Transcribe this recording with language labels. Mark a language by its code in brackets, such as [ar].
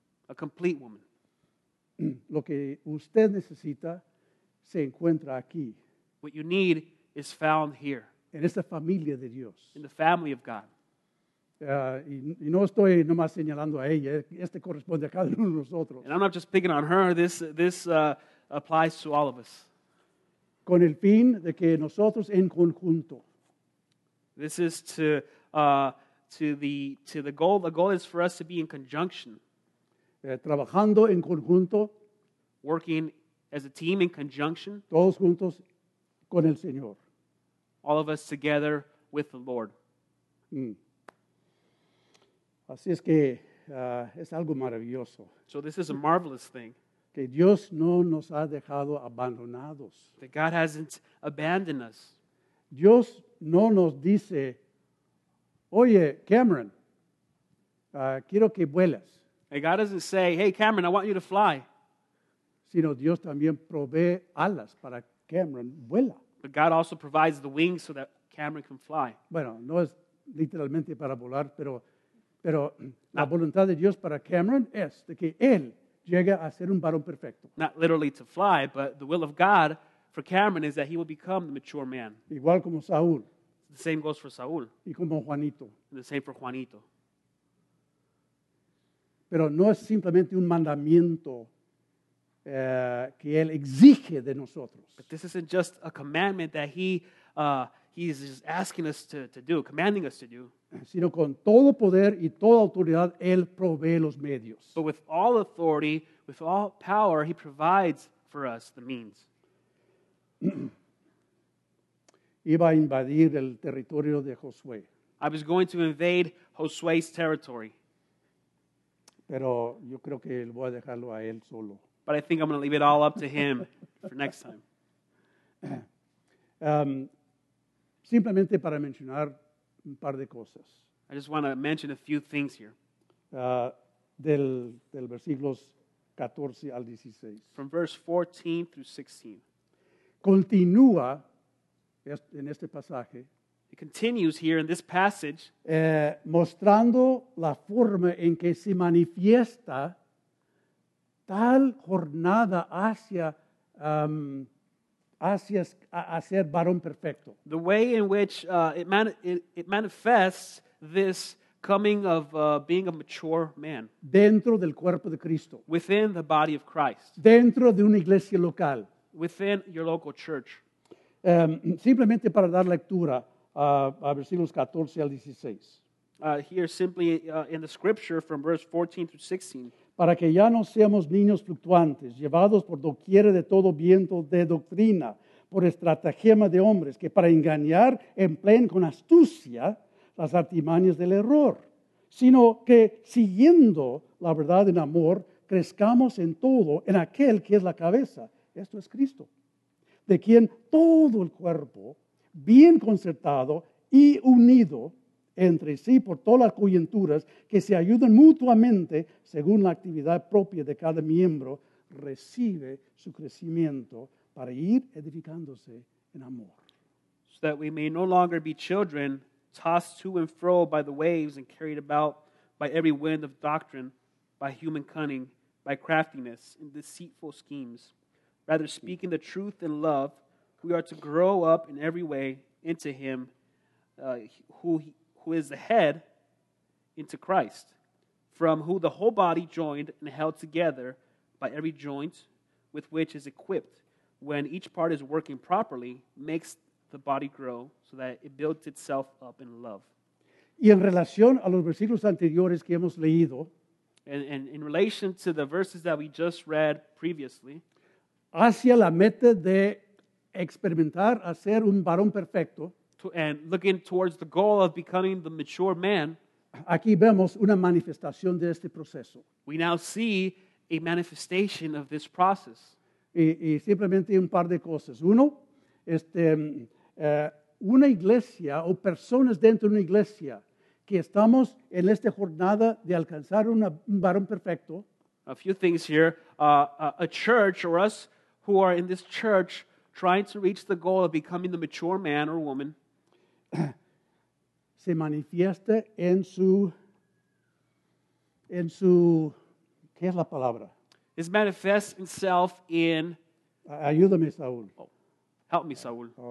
[en] A complete woman. [es] Lo que usted necesita se encuentra aquí. [en] What you need is found here. [es] En esta familia de Dios. [en] In the family of God. [es] Y no estoy nomás señalando a ella, este corresponde a cada uno de nosotros. [en] And I'm not just picking on her, this applies to all of us. [es] Con el fin de que nosotros en conjunto. [en] This is to the goal, the goal is for us to be in conjunction. [es] Trabajando en conjunto. [en] Working as a team in conjunction. [es] Todos juntos con el Señor. [en] all of us together with the Lord. [es] Así es que es algo maravilloso. [en] So this is a marvelous thing. [es] Que Dios no nos ha dejado abandonados. [en] That God hasn't abandoned us. [es] Dios no nos dice, oye, Cameron, quiero que vuelas. [en] And God doesn't say, hey, Cameron, I want you to fly. [es] Sino Dios también provee alas para Cameron vuela. [en] But God also provides the wings so that Cameron can fly. [es] Bueno, no es literalmente para volar, pero la voluntad de Dios para Cameron es de que él llegue a ser un varón perfecto. [en] Not literally to fly, but the will of God for Cameron is that he will become the mature man. [es] Igual como Saúl. [en] The same goes for Saúl. [es] Y como Juanito. [en] The same for Juanito. [es] Pero no es simplemente un mandamiento que él exige de nosotros. [en] But this isn't just a commandment that he's just asking us to do, commanding us to do. [es] Sino con todo poder y toda autoridad, él provee los medios. [en] But with all authority, with all power, he provides for us the means. [es] Iba a invadir el territorio de Josué. [en] I was going to invade Josué's territory. [es] Pero yo creo que voy a dejarlo a él solo. [en] But I think I'm going to leave it all up to him for next time. [es] Simplemente para mencionar un par de cosas. [en] I just want to mention a few things here. [es] Del versículos 14 al 16. [en] From verse 14 through 16. [es] Continúa en este pasaje. [en] It continues here in this passage. [es] Mostrando la forma en que se manifiesta tal jornada hacia ser varón perfecto. [en] The way in which it manifests this coming of being a mature man. [es] Dentro del cuerpo de Cristo. [en] Within the body of Christ. [es] Dentro de una iglesia local. [en] Within your local church. [es] Simplemente para dar lectura a versículos 14 al 16. [en] Here simply in the scripture from verse 14 through 16. [es] Para que ya no seamos niños fluctuantes, llevados por doquiera de todo viento de doctrina, por estratagema de hombres, que para engañar empleen con astucia las artimañas del error, sino que siguiendo la verdad en amor, crezcamos en todo, en aquel que es la cabeza. Esto es Cristo, de quien todo el cuerpo, bien concertado y unido, entre sí por todas las coyunturas que se ayudan mutuamente según la actividad propia de cada miembro, recibe su crecimiento para ir edificándose en amor. [en] So that we may no longer be children tossed to and fro by the waves and carried about by every wind of doctrine, by human cunning, by craftiness, and deceitful schemes. Rather, speaking the truth in love, we are to grow up in every way into him who is the head, into Christ, from who the whole body joined and held together by every joint with which is equipped, when each part is working properly, makes the body grow so that it builds itself up in love. [es] Y en relación a los versículos anteriores que hemos leído, [en] and in relation to the verses that we just read previously, [es] hacia la meta de experimentar a ser un varón perfecto, [en] and looking towards the goal of becoming the mature man, [es] aquí vemos una manifestación de este proceso. [en] We now see a manifestation of this process. [es] Y simplemente un par de cosas. Uno, una iglesia o personas dentro de una iglesia que estamos en esta jornada de alcanzar un varón perfecto. [en] A few things here. A church or us who are in this church trying to reach the goal of becoming the mature man or woman. [es] Se manifiesta en su ¿qué es la palabra? [en] It manifests itself in. [es] Ayúdame, Saúl. Oh, [en] help me, Saúl.